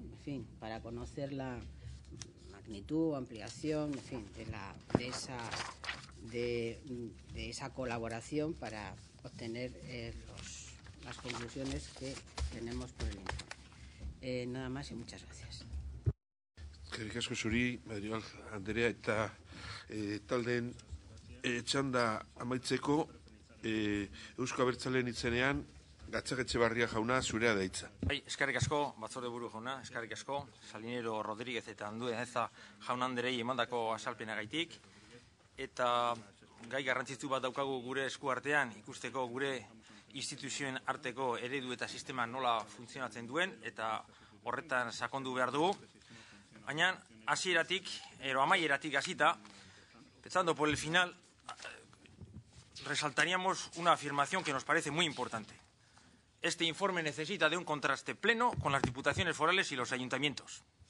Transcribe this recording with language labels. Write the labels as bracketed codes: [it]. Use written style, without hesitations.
[es] En fin, para conocer la magnitud, ampliación, en fin, de esa colaboración para obtener las conclusiones que tenemos por el informe. Nada más y muchas gracias. [eu] Eskerrik asko zuri, Madrigal Andrea, eta taldeen txanda amaitzeko Eusko Abertzaleen itzenean Gatzagaetxebarria jauna, zurea da hitza. Bai, eskerrik asko, batzorde buru jauna, eskerrik asko, Salinero Rodríguez eta Andueza jaun Andrei emandako azalpenagaitik. Eta gai garrantzitsu bat daukagu gure esku artean ikusteko gure instituzioen arteko eredu eta sistema nola funtzionatzen duen eta horretan sakondu behar dugu. Baina hasieratik edo amaieratik hasita, [es] pensando por el final, resaltaríamos una afirmación que nos parece muy importante. Este informe necesita de un contraste pleno con las diputaciones forales y los ayuntamientos.